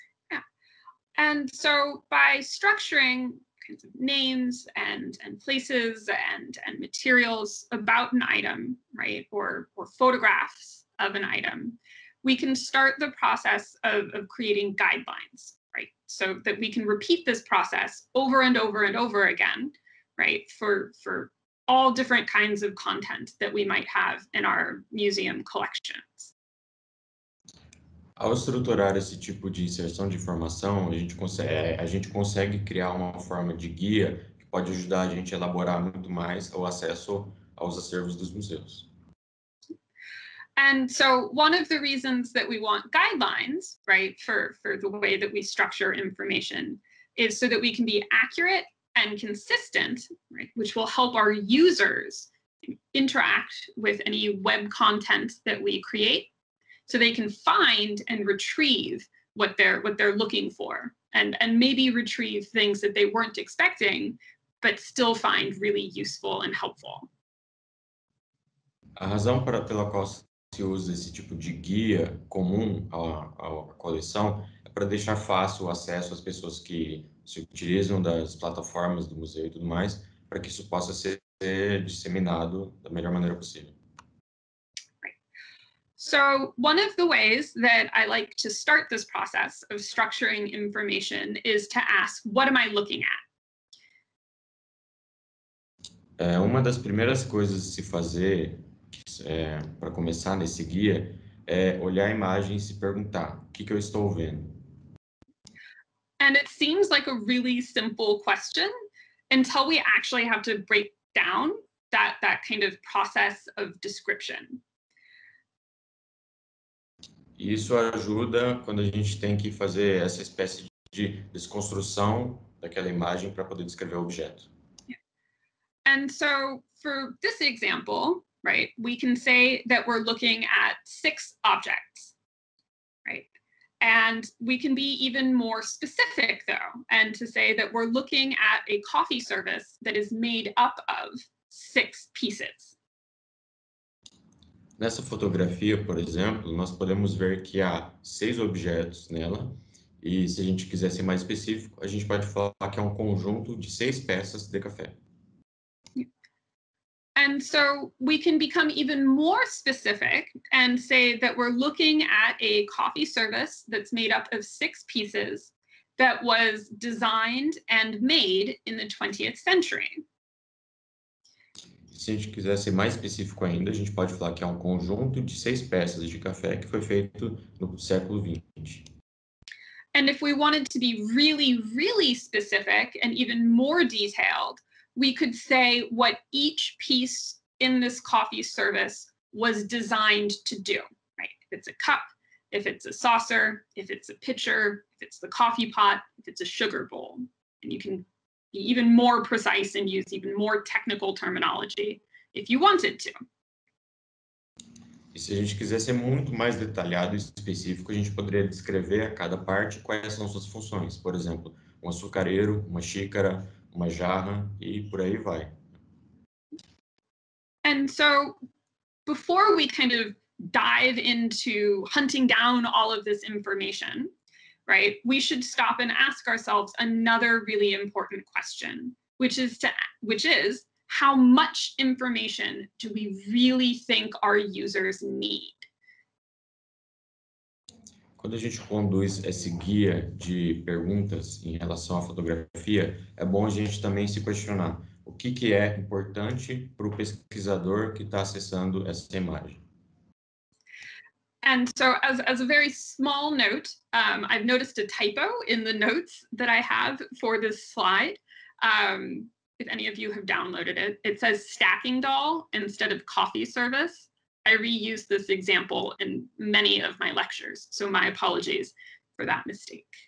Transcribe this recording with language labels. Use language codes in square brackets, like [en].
[en] Yeah. And so by structuring kinds of names and places and materials about an item, right, or photographs of an item, we can start the process of creating guidelines. So that we can repeat this process over and over and over again, right, for all different kinds of content that we might have in our museum collections. [pt] Ao estruturar esse tipo de inserção de informação, a gente consegue criar uma forma de guia que pode ajudar a gente a elaborar muito mais o acesso aos acervos dos museus. [en] And so one of the reasons that we want guidelines, right, for the way that we structure information is so that we can be accurate and consistent, right, which will help our users interact with any web content that we create so they can find and retrieve what they're looking for and maybe retrieve things that they weren't expecting, but still find really useful and helpful. [pt] A razão pela qual se usa esse tipo de guia comum à coleção é para deixar fácil o acesso às pessoas que se utilizam das plataformas do museu e tudo mais, para que isso possa ser disseminado da melhor maneira possível. [en] Right. So, one of the ways that I like to start this process of structuring information is to ask, what am I looking at? [pt] Uma das primeiras coisas a se fazer para começar nesse guia é olhar a imagem e se perguntar o que eu estou vendo. [en] And it seems like a really simple question until we actually have to break down that kind of process of description. [pt] Isso ajuda quando a gente tem que fazer essa espécie de desconstrução daquela imagem para poder descrever o objeto. [en] Yeah. And so for this example, right, we can say that we're looking at 6 objects, right? And we can be even more specific though, and to say that we're looking at a coffee service that is made up of 6 pieces. [pt] Nessa fotografia, por exemplo, nós podemos ver que há 6 objetos nela, e se a gente quiser ser mais específico, a gente pode falar que é um conjunto de 6 peças de café. [en] And so we can become even more specific and say that we're looking at a coffee service that's made up of 6 pieces that was designed and made in the 20th century. [pt] Se a gente quiser ser mais específico ainda, a gente pode falar que é um conjunto de 6 peças de café que foi feito no século XX. [en] And if we wanted to be really, really specific and even more detailed, we could say what each piece in this coffee service was designed to do, right? If it's a cup, if it's a saucer, if it's a pitcher, if it's the coffee pot, if it's a sugar bowl. And you can be even more precise and use even more technical terminology if you wanted to. [pt] E se a gente quiser ser muito mais detalhado e específico, a gente poderia descrever a cada parte quais são suas funções. Por exemplo, um açucareiro, uma xícara, uma jarra, e por aí vai. [en] And so, before we kind of dive into hunting down all of this information, right, we should stop and ask ourselves another really important question, which is, how much information do we really think our users need? [pt] Quando a gente conduz esse guia de perguntas em relação à fotografia, é bom a gente também se questionar o que que é importante para o pesquisador que está acessando essa imagem. [en] And so as a very small note, I've noticed a typo in the notes that I have for this slide. If any of you have downloaded it, it says stacking doll instead of coffee service. I reuse this example in many of my lectures, so my apologies for that mistake.